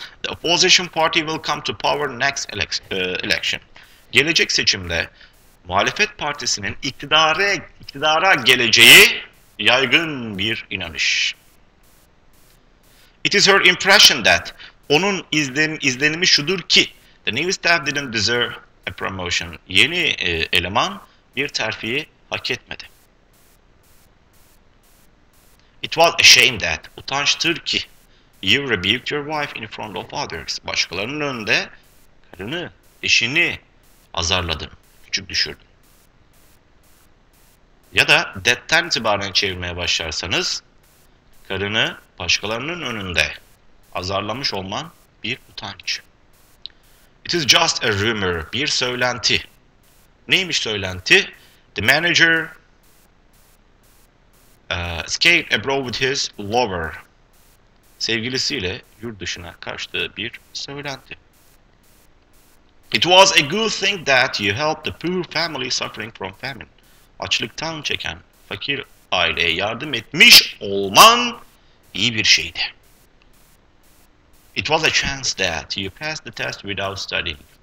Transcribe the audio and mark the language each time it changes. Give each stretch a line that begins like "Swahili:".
English: The opposition party will come to power next election.
Turkish: Gelecek seçimde muhalefet partisinin iktidara geleceği yaygın bir inanış.
English: It is her impression that,
Turkish: onun izlenimi şudur ki,
English: the new staff didn't deserve a promotion.
Turkish: Yeni eleman bir terfiyi hak etmedi.
English: It was a shame that,
Turkish: utançtır ki,
English: you rebuked your wife in front of others.
Turkish: Başkalarının önünde karını, eşini azarladın, küçük düşürdün. Ya da that'ten itibaren çevirmeye başlarsanız, karını başkalarının önünde azarlamış olman bir utanç.
English: It is just a rumor,
Turkish: bir söylenti. Neymiş söylenti?
English: The manager escaped abroad with his lover.
Turkish: Sevgilisiyle yurt dışına kaçtığı bir söylenti.
English: It was a good thing that you helped the poor family suffering from famine.
Turkish: Açlıktan çeken fakir aileye yardım etmiş olman iyi bir şeydi.
English: It was a chance that you passed the test without studying.